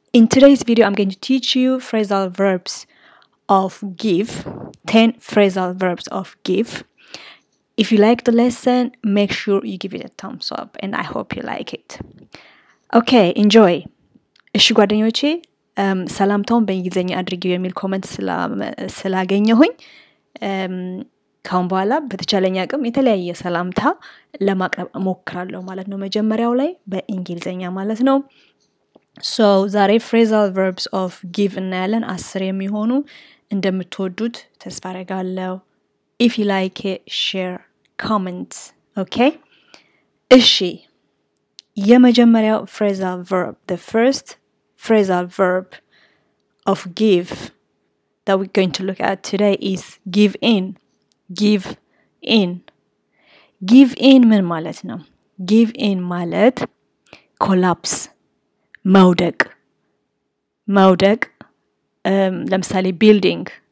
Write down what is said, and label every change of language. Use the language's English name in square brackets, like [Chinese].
[English] In today's video, I'm going to teach you phrasal verbs of give. 10 phrasal verbs of give. If you like the lesson, make sure you give it a thumbs up and I hope you like it. Okay, enjoy. [Amharic] እሺ ጓደኞቼ ሰላምታውን በእንግሊዘኛ አድርጌ የሚል ኮመንት ስላገኘሁኝ ካሁን በኋላ በተቻለኝ አቅም የተለያየ ሰላምታ ለማቅረብ ሞክራለሁ ማለት ነው መጀመሪያው ላይ በእንግሊዘኛ ማለት ነው So, ዛሬ phrasal verbs of give እናያለን 10 የሚሆኑ እንደምትወዱት ተስፋ አደርጋለሁ [English] If you like it, share, comment, okay? [Amharic] እሺ የመጀመሪያው phrasal verb, [English] the first phrasal verb of give that we're going to look at today is give in. Give in. [Amharic] Give in ምን ማለት ነው? Give in ማለት collapse, መውደቅ. መውደቅ, ለምሳሌ building.